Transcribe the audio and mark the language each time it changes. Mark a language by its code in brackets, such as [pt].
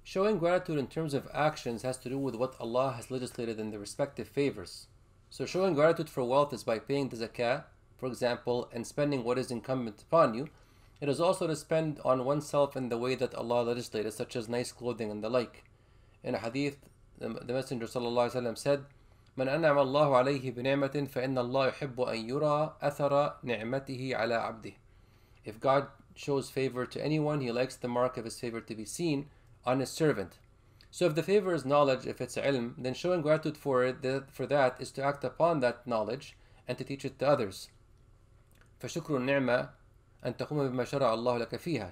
[en] Showing gratitude in terms of actions has to do with what Allah has legislated in the respective favors. So showing gratitude for wealth is by paying the zakah, for example, and spending what is incumbent upon you. It is also to spend on oneself in the way that Allah legislated, such as nice clothing and the like. [ar] In a hadith, the Messenger ﷺ said, مَنْ أَنْعَمَ اللَّهُ عَلَيْهِ بِنِعْمَةٍ فَإِنَّ اللَّهُ يُحِبُّ أَنْ يُرَى أَثَرَ نِعْمَتِهِ عَلَىٰ عَبْدِهِ. [en] If God shows favor to anyone, he likes the mark of his favor to be seen on his servant. So if the favor is knowledge, if it's ilm, then showing gratitude for that is to act upon that knowledge and to teach it to others. [ar] فَشُكْرُ النِّعْمَةِ أَنْ تَقُمَ بِمَا شَرَعَ اللَّهُ لَكَ فِيهَا.